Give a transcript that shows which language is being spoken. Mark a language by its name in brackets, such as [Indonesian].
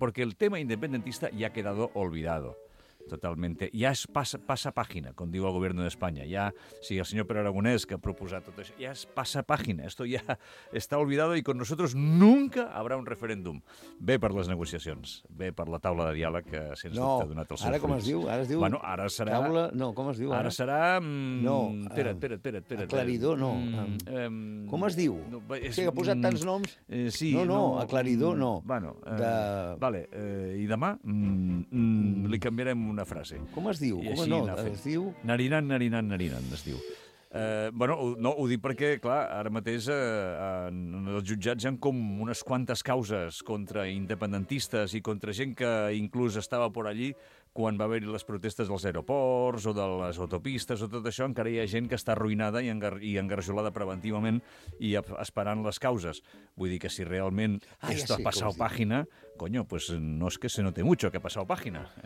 [Spanish] Porque el tema independentista ya ha quedado olvidado. Totalmente. [Catalan] Ja es passa pàgina, com diu el govern d'Espanya. Ja, sí, el senyor Pere Aragonès que ha proposat tot això, ja es passa pàgina. [Spanish] Esto ja està olvidado i con nosotros nunca habrá un referèndum. [Catalan] Bé per les negociacions, bé per la taula de diàleg que sense dubte ha donat els seus fruits. No, ara com es diu? Ara es diu... Bueno, ara serà... Taula... No, com es diu? Ara serà... No. Espera. Aclaridor, no. Com es diu? No, és... Sí, ha posat tants noms. Sí. No, aclaridor, no. Bueno, vale. I demà li canviarem una frase. Com es diu? Com no, es diu? Narinant, es diu. Ho dic perquè, clar, ara mateix els jutjats hi ha com unes quantes causes contra independentistes i contra gent que inclús estava [Spanish] por allí [Catalan] quan va haver-hi les protestes dels aeroports o de les autopistes o tot això. Encara hi ha gent que està arruïnada i engarjolada preventivament i esperant les causes. Vull dir que si realment esto ha passat pàgina... [Spanish] Coño, pues no es que se note mucho que ha pasado página.